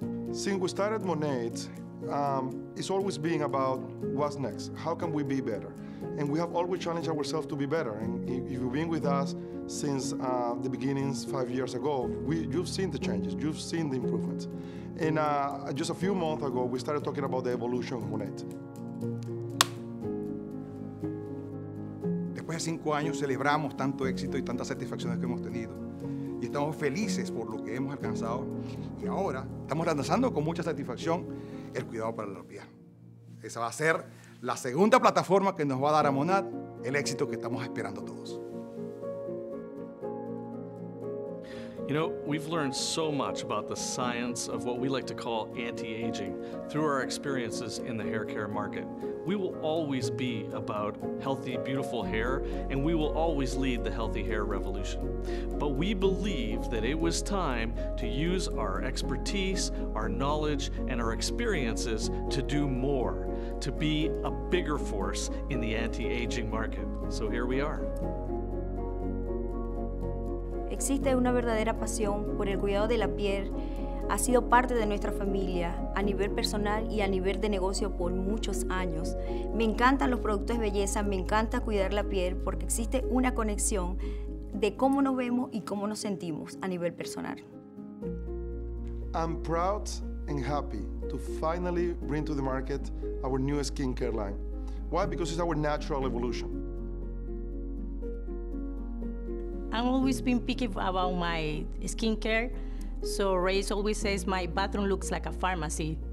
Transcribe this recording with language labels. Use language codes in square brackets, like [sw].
[en] Since we started MONAT, it's always been about what's next. How can we be better? And we have always challenged ourselves to be better. And if you've been with us since the beginnings 5 years ago, you've seen the changes, you've seen the improvements. And just a few months ago, we started talking about the evolution of MONAT. [es] Después de 5 años, celebramos tanto éxito y tantas satisfacciones que hemos tenido. Y estamos felices por lo que hemos alcanzado. Y ahora estamos lanzando con mucha satisfacción el cuidado para la piel. Esa va a ser la segunda plataforma que nos va a dar a MONAT el éxito que estamos esperando todos. [en] You know, we've learned so much about the science of what we like to call anti-aging through our experiences in the hair care market. We will always be about healthy, beautiful hair, and we will always lead the healthy hair revolution. But we believe that it was time to use our expertise, our knowledge, and our experiences to do more, to be a bigger force in the anti-aging market. So here we are. [es] Existe una verdadera pasión por el cuidado de la piel. Ha sido parte de nuestra familia a nivel personal y a nivel de negocio por muchos años. Me encantan los productos de belleza, me encanta cuidar la piel porque existe una conexión de cómo nos vemos y cómo nos sentimos a nivel personal. [en] I'm proud and happy to finally bring to the market our new skincare line. Why? Because it's our natural evolution. I've always been picky about my skincare, so Ray always says my bathroom looks like a pharmacy.